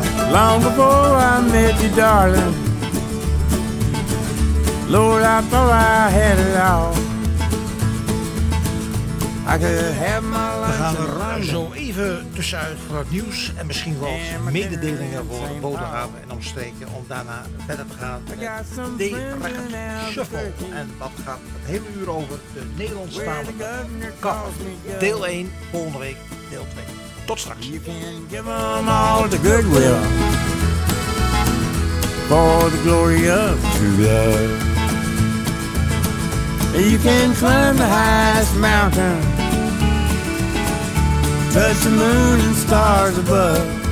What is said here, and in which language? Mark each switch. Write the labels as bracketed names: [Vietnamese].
[English] long before I met you, darling. Lord, I thought I had it all. [Dutch] We gaan er ruim zo even tussenuit voor het nieuws en misschien wel mededelingen voor Bodegraven en Omstreken om daarna verder te gaan met D-Record Shuffle. En dat gaat het hele uur over de Nederlandstalige cover. Deel 1, volgende week deel 2. Tot straks. [English] You can give them all the goodwill for the glory of true love. You can climb the highest mountain, touch the moon and stars above.